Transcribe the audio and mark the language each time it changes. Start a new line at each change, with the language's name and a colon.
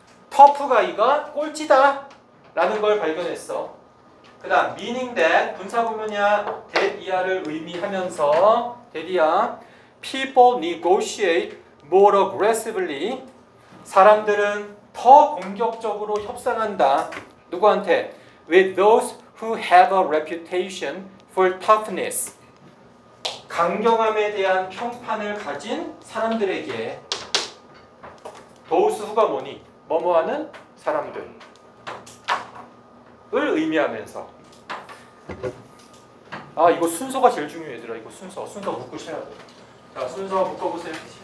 Korean: 터프 가이가 꼴찌다 라는 걸 발견했어. 그 다음
English: meaning that
Korean: 분사 구문이야. that 이하를 의미하면서 that 이하
English: people negotiate more aggressively.
Korean: 사람들은 더 공격적으로 협상한다. 누구한테?
English: with those who have a reputation for toughness.
Korean: 강경함에 대한 평판을 가진 사람들에게. those who가 뭐니? 뭐뭐하는 사람들 을 의미하면서. 아, 이거 순서가 제일 중요해 얘들아. 이거 순서 묶으셔야 돼. 자, 순서 묶어보세요.